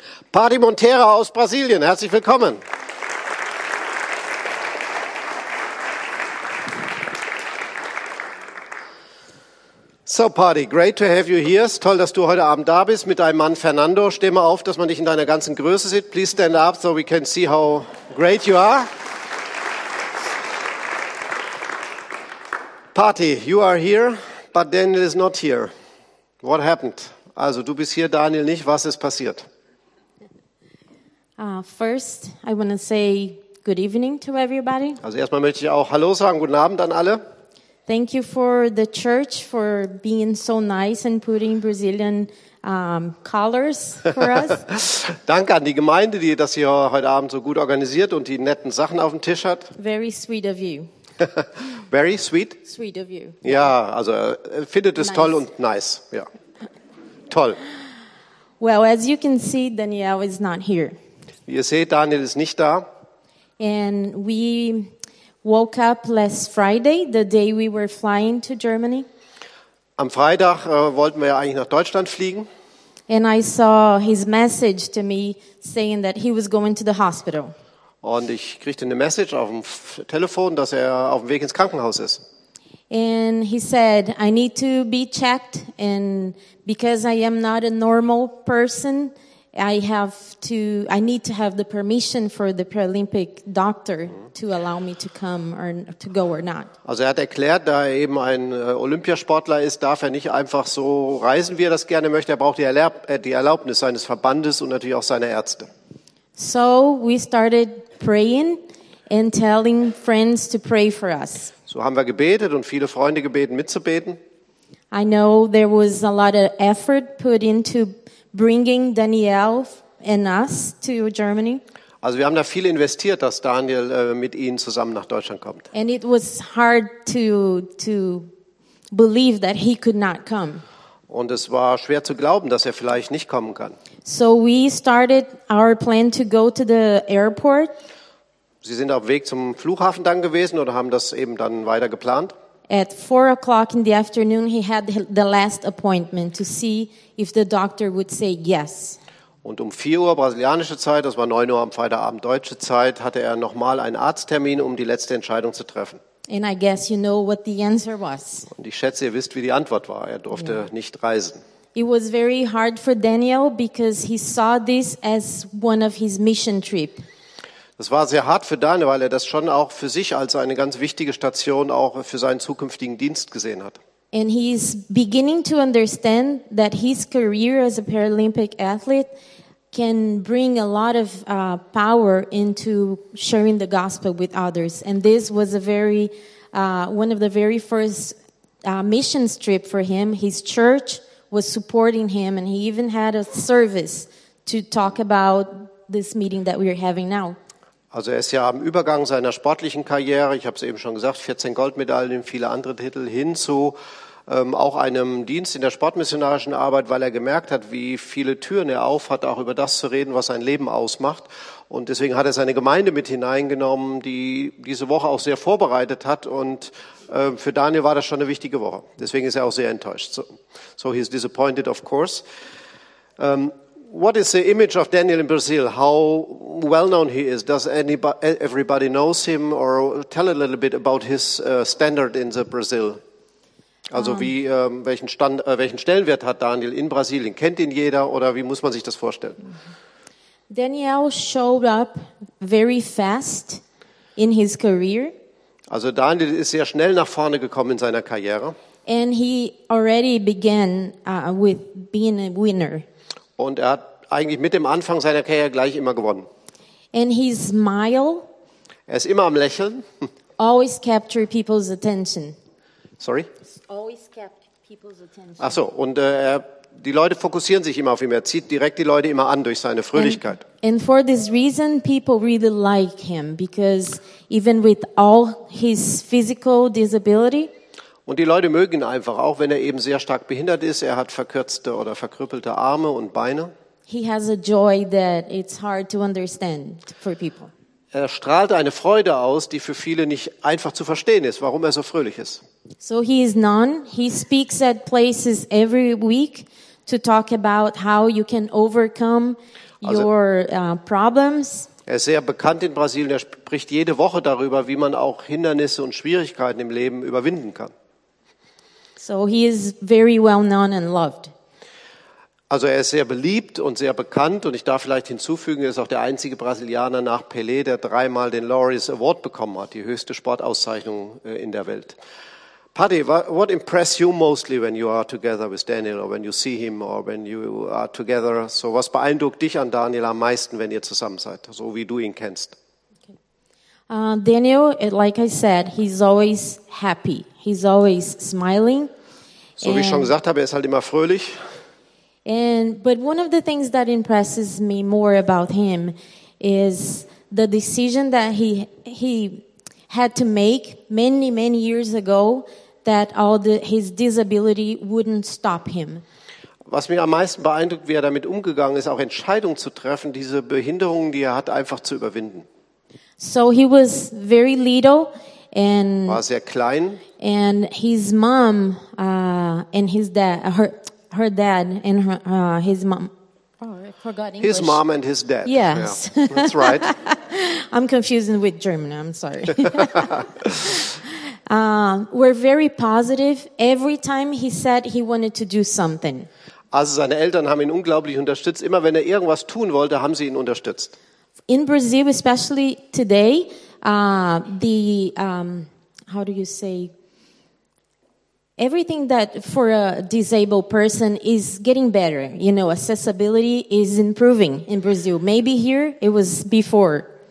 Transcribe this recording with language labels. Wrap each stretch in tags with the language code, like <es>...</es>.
<de>Patti Montera aus Brasilien, herzlich willkommen.</de> <en>So, Patti, great to have you here.</en> <de>Es ist toll, dass du heute Abend da bist mit deinem Mann Fernando. Steh mal auf, dass man dich in deiner ganzen Größe sieht.</de> <en>Please stand up so we can see how great you are. Patti, you are here, but Daniel is not here. What happened?</en> <de>Also, du bist hier, Daniel nicht. Was ist passiert?</de> <en>First, I want to say good evening to everybody.</en> <de>Also, erstmal möchte ich auch Hallo sagen, guten Abend an alle.</de> <en>Thank you for the church for being so nice and putting Brazilian colors for us.</en> <de>Danke an die Gemeinde, die das hier heute Abend so gut organisiert und die netten Sachen auf dem Tisch hat.</de> <en>Very sweet of you. Very sweet. Sweet of you.</en> <de>Ja, also findet es nice. Toll und nice. Ja, toll.</de> <en>Well, as you can see, Daniel is not here.</en> <de>Ihr seht, Daniel ist nicht da.</de> <en>And we woke up last Friday, the day we were flying to Germany.</en> <de>Am Freitag wollten wir ja eigentlich nach Deutschland fliegen.</de> <en>And I saw his message to me saying that he was going to the hospital.</en> <de>Und ich kriegte eine Message auf dem Telefon, dass er auf dem Weg ins Krankenhaus ist.</de> <en>And he said, I need to be checked and because I am not a normal person, I need to have the permission for the Paralympic doctor to allow me to come or to go or not.</en> <de>Also er hat erklärt, da er eben ein Olympiasportler ist, darf er nicht einfach so reisen, wie er das gerne möchte. Er braucht die Erlaubnis seines Verbandes und natürlich auch seiner Ärzte.</de> <en>So we started praying and telling friends to pray for us.</en> <de>So haben wir gebetet und viele Freunde gebeten mitzubeten.</de> <en>I know there was a lot of effort put into bringing Daniel and us to Germany.</en> <de>Also wir haben da viel investiert, dass Daniel mit ihnen zusammen nach Deutschland kommt.</de> <en>And it was hard to believe that he could not come.</en> <de>Und es war schwer zu glauben, dass er vielleicht nicht kommen kann.</de> <en>So we started our plan to go to the airport.</en> <de>Sie sind auf Weg zum Flughafen dann gewesen oder haben das eben dann weiter geplant?</de> <en>At 4 o'clock in the afternoon, he had the last appointment to see if the doctor would say yes.</en> <de>Und um 4 Uhr brasilianische Zeit, das war 9 Uhr am Freitagabend deutsche Zeit, hatte er nochmal einen Arzttermin, um die letzte Entscheidung zu treffen.</de> <en>And I guess you know what the answer was.</en> <de>Und ich schätze, ihr wisst, wie die Antwort war. Er durfte nicht reisen.</de> <en>It was very hard for Daniel because he saw this as one of his mission trip.</en> <de>Das war sehr hart für Daniel, weil er das schon auch für sich als eine ganz wichtige Station auch für seinen zukünftigen Dienst gesehen hat.</de> <en>And he is beginning to understand that his career as a Paralympic athlete can bring a lot of power into sharing the gospel with others. And this was a very one of the very first missions trip for him. His church was supporting him, and he even had a service to talk about this meeting that we are having now.</en> <de>Also er ist ja am Übergang seiner sportlichen Karriere, ich habe es eben schon gesagt, 14 Goldmedaillen, viele andere Titel, hin zu auch einem Dienst in der sportmissionarischen Arbeit, weil er gemerkt hat, wie viele Türen er auf hat, auch über das zu reden, was sein Leben ausmacht. Und deswegen hat er seine Gemeinde mit hineingenommen, die diese Woche auch sehr vorbereitet hat. Und für Daniel war das schon eine wichtige Woche. Deswegen ist er auch sehr enttäuscht.</de> <en>So he's disappointed, of course. What is the image of Daniel in Brazil? How well known he is? Does everybody knows him? Or tell a little bit about his standard in the Brazil.</en> <de>Also welchen Stellenwert hat Daniel in Brasilien? Kennt ihn jeder oder wie muss man sich das vorstellen?</de> <en>Daniel showed up very fast in his career.</en> <de>Also Daniel ist sehr schnell nach vorne gekommen in seiner Karriere.</de> <en>And he already began with being a winner.</en> <de>Und er hat eigentlich mit dem Anfang seiner Karriere gleich immer gewonnen.</de> <en>And he smiled.</en> <de>Er ist immer am Lächeln.</de> <en>Always capture people's attention. Sorry? Always capture people's attention.</en> <de>Ach so, und die Leute fokussieren sich immer auf ihn. Er zieht direkt die Leute immer an durch seine Fröhlichkeit.</de> <en>And for this reason, people really like him, because even with all his physical disability.</en> <de>Und die Leute mögen ihn einfach, auch wenn er eben sehr stark behindert ist. Er hat verkürzte oder verkrüppelte Arme und Beine.</de> <en>He has a joy that it's hard to understand for people.</en> <de>Er strahlt eine Freude aus, die für viele nicht einfach zu verstehen ist, warum er so fröhlich ist.</de> <en>So he is known. He speaks at places every week to talk about how you can overcome your problems.</en> <de>Er ist sehr bekannt in Brasilien. Er spricht jede Woche darüber, wie man auch Hindernisse und Schwierigkeiten im Leben überwinden kann.</de> <en>So he is very well known and loved.</en> <de>Also er ist sehr beliebt und sehr bekannt, und ich darf vielleicht hinzufügen, er ist auch der einzige Brasilianer nach Pelé, der 3-mal den Laureus Award bekommen hat, die höchste Sportauszeichnung in der Welt.</de> <en>Paddy, what impresses you mostly when you are together with Daniel, or when you see him, or when you are together?</en> <de>So was beeindruckt dich an Daniel am meisten, wenn ihr zusammen seid, so wie du ihn kennst?</de> <en>Daniel, like I said, he's always happy. He's always smiling.</en> <de>So wie ich schon gesagt habe, er ist halt immer fröhlich.</de> <en>But one of the things that impresses me more about him is the decision that he had to make many, many years ago, that his disability wouldn't stop him.</en> <de>Was mich am meisten beeindruckt, wie er damit umgegangen ist, auch Entscheidungen zu treffen, diese Behinderungen, die er hat, einfach zu überwinden.</de> <en>So he was very little and</en> <de>war sehr klein,</de> <en>and his mom and his dad, her dad and her, his mom, his mom and his dad. Yes, yeah, that's right. I'm confusing with German, I'm sorry. were very positive every time he said he wanted to do something.</en> <de>Also seine Eltern haben ihn unglaublich unterstützt. Immer wenn er irgendwas tun wollte, haben sie ihn unterstützt.</de> <en>In Brazil, especially today, how do you say, everything that for a disabled person is getting better. You know, accessibility is improving in Brazil. Maybe here it was before.</en>